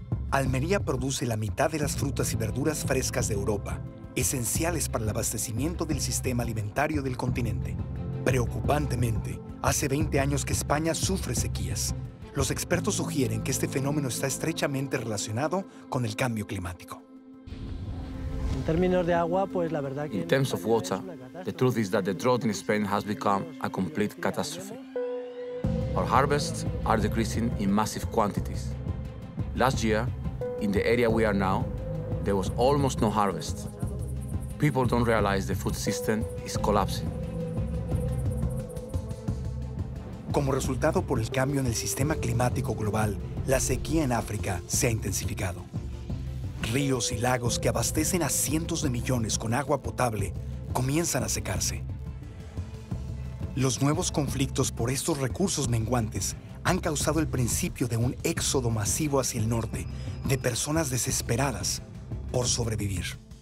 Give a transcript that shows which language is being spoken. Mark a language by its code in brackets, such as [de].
[es] Almería produce la mitad de las frutas y verduras frescas de Europa, esenciales para el abastecimiento del sistema alimentario del continente. Preocupantemente, hace 20 años que España sufre sequías. Los expertos sugieren que este fenómeno está estrechamente relacionado con el cambio climático. En términos de agua, pues la verdad que... [en] In terms of water, the truth is that the drought in Spain has become a complete catastrophe. Our harvests are decreasing in massive quantities. Last year, in the area we are now, there was almost no harvest. People don't realize the food system is collapsing. [es] Como resultado por el cambio en el sistema climático global, la sequía en África se ha intensificado. Ríos y lagos que abastecen a cientos de millones con agua potable comienzan a secarse. Los nuevos conflictos por estos recursos menguantes han causado el principio de un éxodo masivo hacia el norte de personas desesperadas por sobrevivir.